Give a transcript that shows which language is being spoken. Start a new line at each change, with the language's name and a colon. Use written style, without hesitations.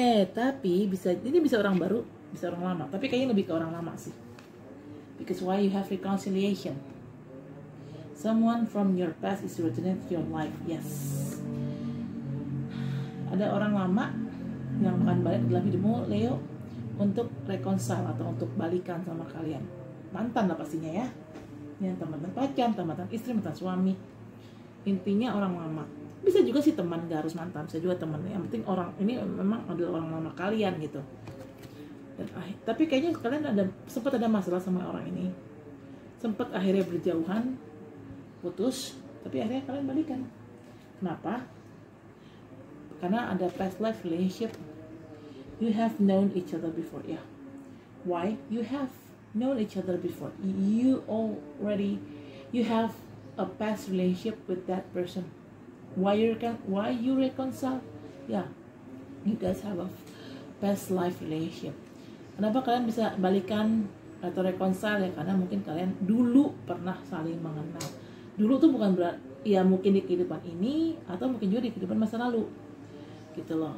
Indonesian: Tapi bisa, ini bisa orang baru, bisa orang lama. Tapi kayaknya lebih ke orang lama sih.
English: Because why you have reconciliation? Someone from your past is returning to your life. Yes.
Indonesian: Ada orang lama yang akan balik dalam hidupmu, Leo, untuk reconcile atau untuk balikan sama kalian. Mantan lah pastinya ya. Yang teman-teman pacar, teman-teman istri, teman-teman suami. Intinya orang lama. Bisa juga sih teman, gak harus mantan, bisa juga teman. Yang penting orang, ini memang adalah orang lama kalian gitu. Dan, tapi kayaknya kalian ada sempat ada masalah sama orang ini. Sempat akhirnya berjauhan, putus, tapi akhirnya kalian balikan. Kenapa? Karena ada
English: past life relationship. You have known each other before, yeah. Why? You have known each other before. You already, you have a past relationship with that person. Why you reconcile? Yeah, you guys have a past life relationship.
Indonesian: Kenapa kalian bisa balikan atau reconcile ya? Karena mungkin kalian dulu pernah saling mengenal. Dulu tuh bukan berarti ya mungkin di kehidupan ini atau mungkin juga di kehidupan masa lalu. Gitu loh.